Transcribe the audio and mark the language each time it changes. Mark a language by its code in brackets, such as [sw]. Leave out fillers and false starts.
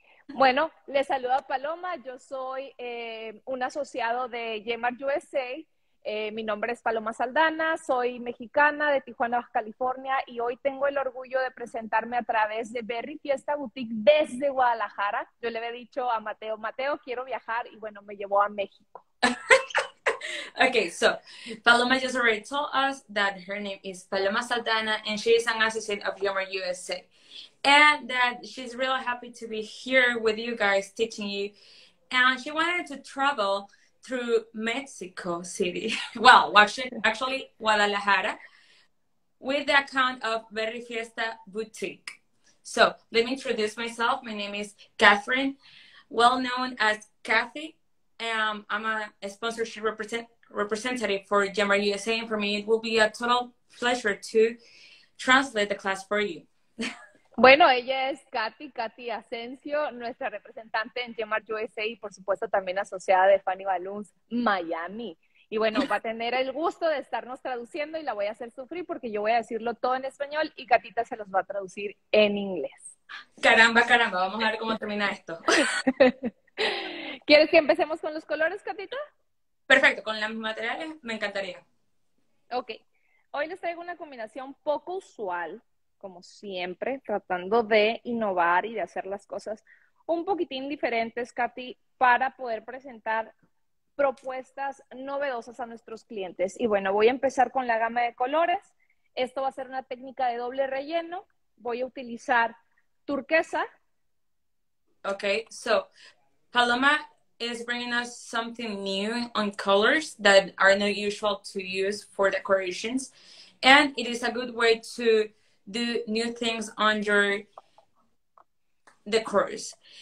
[es] Bueno, les saluda Paloma, yo soy un asociado de GMAR USA. Mi nombre es Paloma Saldana, soy mexicana de Tijuana, Baja California, y hoy tengo el orgullo de presentarme a través de Berry Fiesta Boutique desde Guadalajara. Yo le había dicho a Mateo, Mateo, quiero viajar, y bueno, me llevó a México. [en] Okay, so Paloma just already told us that her name is Paloma Saldana, and she is an associate of Yomer USA, and that she's really happy to be here with you guys teaching you, and she wanted to travel through Mexico City, well, actually Guadalajara, with the account of Berry Fiesta Boutique. So let me introduce myself. My name is Catherine, well known as Kathy. I'm a sponsorship representative for Yomer USA, and for me it will be a total pleasure to translate the class for you. [es] Bueno, ella es Katy Asensio, nuestra representante en Yomer USA y por supuesto también asociada de Fanny Balloons Miami. Y bueno, va a tener el gusto de estarnos traduciendo y la voy a hacer sufrir porque yo voy a decirlo todo en español y Katita se los va a traducir en inglés. Caramba, caramba, vamos a ver cómo termina esto. ¿Quieres que empecemos con los colores, Katita? Perfecto, con los materiales me encantaría. Ok, hoy les traigo una combinación poco usual, como siempre, tratando de innovar y de hacer las cosas un poquitín diferentes, Katy, para poder presentar propuestas novedosas a nuestros clientes. Y bueno, voy a empezar con la gama de colores. Esto va a ser una técnica de doble relleno. Voy a utilizar turquesa. [en] Okay, so Paloma is bringing us something new on colors that are not usual to use for decorations. And it is a good way to do new things on your decors.